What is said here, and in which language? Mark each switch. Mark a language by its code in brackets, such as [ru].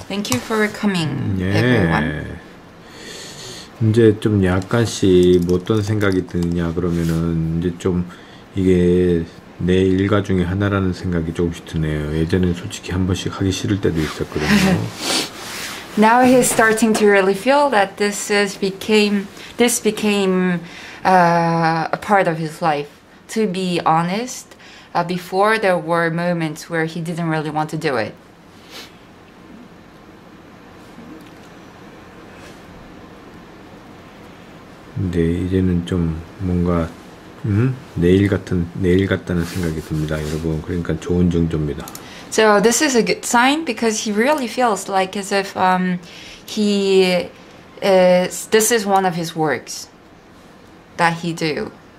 [en] Thank you for coming, [ko] 예. [en] everyone. [ko] 이제 좀 약간씩 뭐 어떤 생각이 드느냐 그러면은 이제 좀 이게 내 일과 중에 하나라는 생각이 조금씩 드네요. 예전엔 솔직히 한 번씩 하기 싫을 때도 있었거든요. [en] Now he's starting to really feel that this became a part of his life. To be honest, before there were moments where he didn't really want to do it. [ko] 네, 이제는 좀 뭔가 내일 같다는 생각이 듭니다, 여러분. 그러니까 좋은 징조입니다. [en] So this is a good sign because he really feels like as if he is, this is one of his works that he do.